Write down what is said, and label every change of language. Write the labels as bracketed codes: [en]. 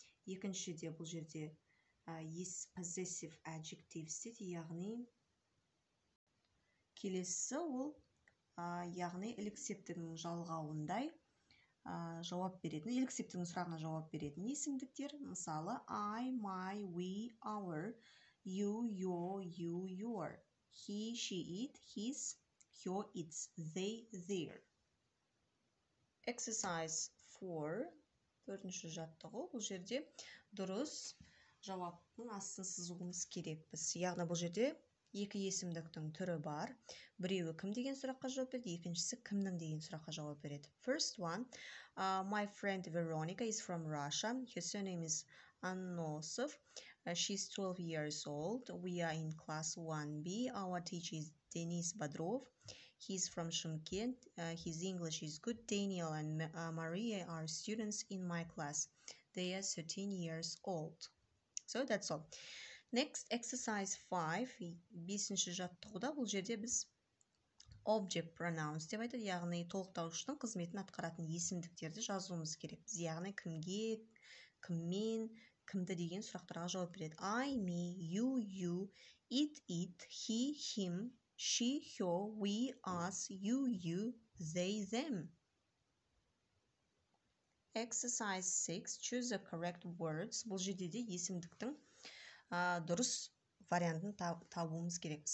[kk] Екіншіде бұл жерде possessive adjectives дейді, яғни келесі ол яғни лік септігінің жалғауындай жауап беретін, лік септігінің сұрағына жауап беретін есімдіктер. Мысалы, [en] I, my, we, our. You, your, you, your. He, she, it, his, your, its, they, their. Exercise 4. [kk] 4-ші жаттығу. Бұл жерде дұрыс жауаптың астын сызуымыз керекпіз. Яғни бұл жерде екі есімдіктің түрі бар. Біреуі кім деген сұраққа жауап береді, екіншісі кімнің деген сұраққа жауап береді. [en] First one, my friend Veronica is from Russia. Her surname is Anosov. She's 12 years old. We are in class 1B. Our teacher is Denis Badrov. He's from Shymkent. His English is good. Daniel and Maria are students in my class. They are 13 years old. So that's all. Next, exercise 5. [kk] 5-ші жаттығуда бұл жерде біз object pronouns деп айтады, яғни толықтаушының қызметін атқаратын есімдіктерді жазуымыз керек. Біз яғни кімге, кіммен, кімді деген сұрақтарға жауап береді. [en] I, me, you, you, it, it, he, him, she, her, we, us, you, you, they, them. Exercise 6. Choose the correct words. [kk] Бұл жерде де есімдіктің дұрыс вариантын табуымыз керек.